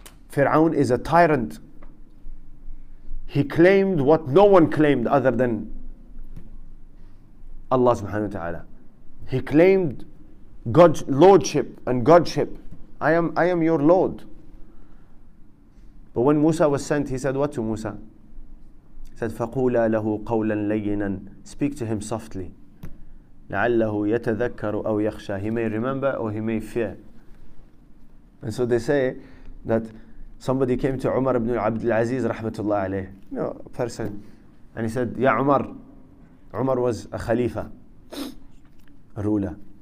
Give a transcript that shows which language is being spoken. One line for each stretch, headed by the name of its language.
English: Fir'aun is a tyrant. He claimed what no one claimed other than Allah subhanahu wa ta'ala. He claimed God's lordship and Godship. I am your Lord. But when Musa was sent, he said what to Musa? He said,
Arabic: فَقُولَا لَهُ قَوْلًا لَيِّنًا.
English: Speak to him softly.
Arabic: لَعَلَّهُ يَتَذَكَّرُ أَوْ يَخْشَى.
English: He may remember or he may fear. And so they say that somebody came to Umar ibn Abd al-Aziz rahmatullah alayhi, you know, person, and he said, Ya Umar. Umar was a khalifa, a ruler.